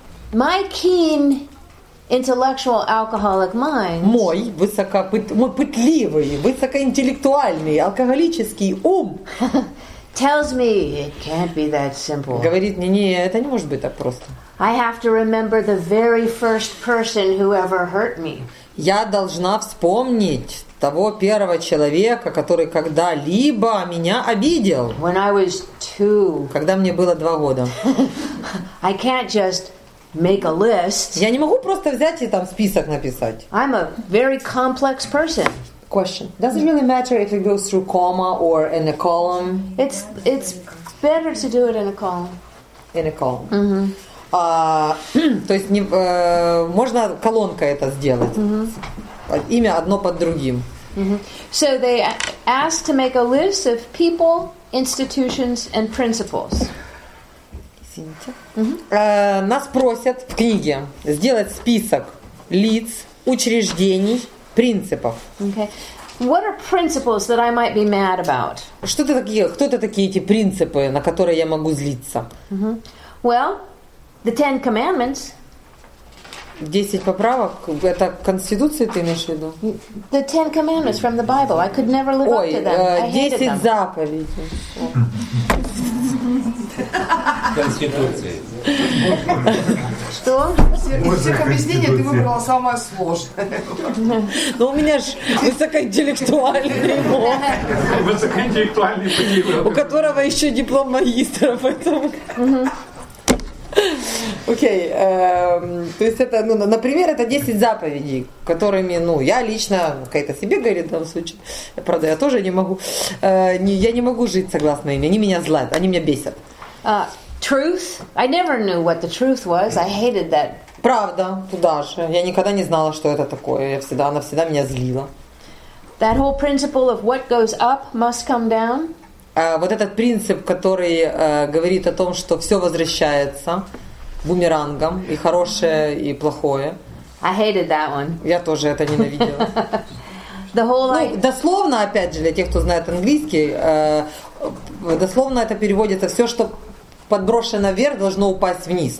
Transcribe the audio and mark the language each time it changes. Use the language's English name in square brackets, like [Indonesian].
[English] My keen intellectual alcoholic mind. [Russian] Мой пытливый, высокоинтеллектуальный алкоголический ум. [English] Tells me it can't be that simple. [Russian] Говорит мне, не, это не может быть так просто. [English] I have to remember the very first person who ever hurt me. [Russian] Я должна вспомнить того первого человека, который когда-либо меня обидел. [English] When I was two, [Russian] когда мне было 2 года. [English] I can't just make a list. [Russian] Я не могу просто взять и там список написать. [English] I'm a very complex person. Question. Does it really matter if it goes through comma or in a column? It's better to do it in a column. In a column. Mm-hmm. [Russian] То есть не, можно колонкой это сделать. Mm-hmm. Имя одно под другим. Mm-hmm. [English] So they asked to make a list of people, institutions and principles. [Russian] Извините. Mm-hmm. Нас просят в книге сделать список лиц, учреждений, принципов. [English] Okay. What are principles that I might be mad about? [Russian] Что это такие, кто это такие эти принципы, на которые я могу злиться? [English] Mm-hmm. Well, the Ten Commandments. [Russian] 10 поправок? Это Конституцию ты имеешь в виду? [English] The Ten Commandments from the Bible. I could never live [Russian] Ой, [English] up to them. [Russian] Ой, 10 заповедей. Конституции. Что? Из всех объяснений ты выбрала самое сложное. Ну, у меня ж высокоинтеллектуальный мозг. Высокоинтеллектуальный мозг. У которого еще диплом магистра, поэтому... Окей, то есть это, ну, например, это 10 заповедей, которыми, ну, я лично, какая-то себе говорит в данном случае, правда, я тоже не могу, я не могу жить согласно им, они меня злят, они меня бесят. [English] Truth. I never knew what the truth was. I hated that. [Russian] Правда, туда же. Я никогда не знала, что это такое. Я всегда, она всегда меня злила. [English] That whole principle of what goes up must come down. [Russian] Вот этот принцип, который говорит о том, что все возвращается бумерангом, и хорошее, и плохое. [English] I hated that one. [Russian] Я тоже это ненавидела. [English] The whole life... [Russian] Ну, дословно, опять же, для тех, кто знает английский, дословно это переводится «все, что подброшено вверх, должно упасть вниз».